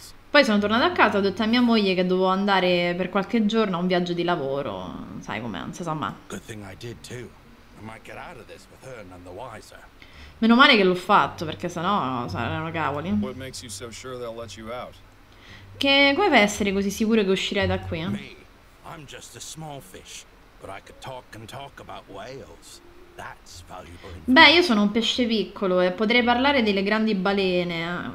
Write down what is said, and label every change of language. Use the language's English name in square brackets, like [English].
[Italian] Poi sono tornato a casa, ho detto a mia moglie che dovevo andare per qualche giorno a un viaggio di lavoro. Sai com'è, non si sa mai. [English] Good thing I did too. I might get out of this with her none the wiser. [Italian] Meno male che l'ho fatto, perché sennò saranno cavoli. [English] What makes you so sure they'll let you out? [Italian] Che come puoi essere così sicuro che uscirai da qui? [English] I'm just a small fish, but I could talk and talk about whales. That's valuable. [Italian] Beh, io sono un pesce piccolo e potrei parlare delle grandi balene.